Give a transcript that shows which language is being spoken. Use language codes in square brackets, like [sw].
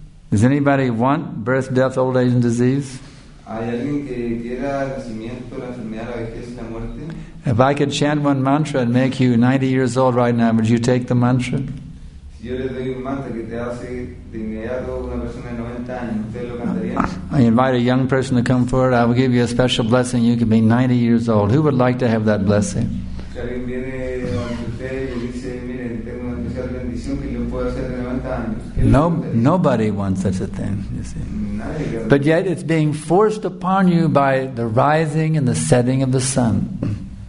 [en] Does anybody want birth, death, old age, and disease? [es] ¿Hay alguien que quiera nacimiento, la enfermedad, la vejez y la muerte? [en] If I could chant one mantra and make you 90 years old right now, would you take the mantra? [es] Si yo le doy un mantra que te hace de inmediato una persona de 90 años, ¿usted lo cantaría? [en] I invite a young person to come forward. I will give you a special blessing. You can be 90 years old. Who would like to have that blessing? [es] Si alguien viene donde usted y dice, mire, tengo una especial bendición que le puedo hacer de 90 años. [en] No, nobody wants such a thing, you see. But yet it's being forced upon you by the rising and the setting of the sun.